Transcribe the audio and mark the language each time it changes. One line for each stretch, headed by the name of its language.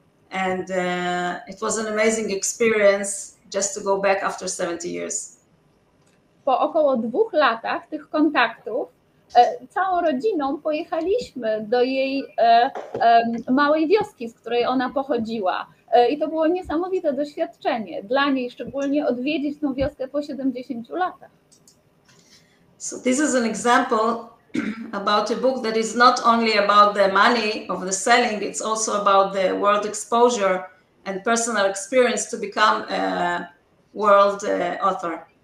English: And it was an amazing experience just to go back after 70 years.
Polish: Po około 2 latach tych kontaktów całą rodziną pojechaliśmy do jej małej wioski, z której ona pochodziła. I to było niesamowite doświadczenie dla niej, szczególnie odwiedzić tą wioskę po 70 latach.
English: So this is an example about a book that is not only about the money of the selling, it's also about the world exposure and personal experience to become a world author.